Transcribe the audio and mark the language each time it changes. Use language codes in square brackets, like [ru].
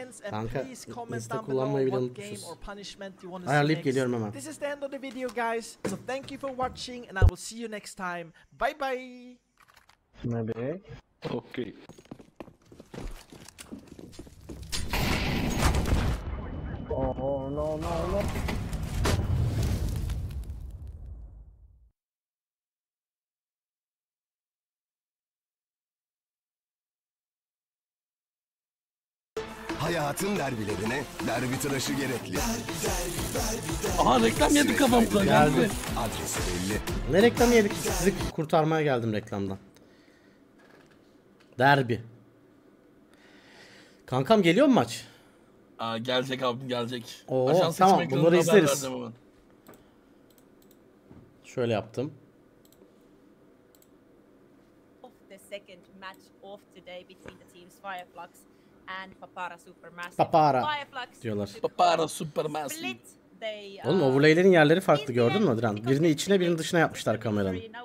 [tr] Kanka, liste kullanmayı bile unutmuşuz. Ayarlayıp geliyorum hemen. [en] This is the end of the video guys. So thank you for watching and I will see you next time. Bye bye. [tr] Ne be? [en] Okay. Oh no no no. [tr] Hayatın derbilerine derbi tıraşı gerekli. Aha, reklam yedik kafamda geldi. Adresi belli. Ne reklam yedik? Sizi kurtarmaya geldim reklamdan. Derbi. Kankam geliyor mu maç? Aa, gelecek abim, gelecek. Oo, tamam, bunları izleriz. Şöyle yaptım. [en] Of the second match of today between the teams Fireflux and Papara Supermassive. [tr] Papara diyorlar. Papara Supermassive. Oğlum overlay'lerin yerleri farklı, gördün mü Adrian? Birini içine birini dışına yapmışlar kameranın.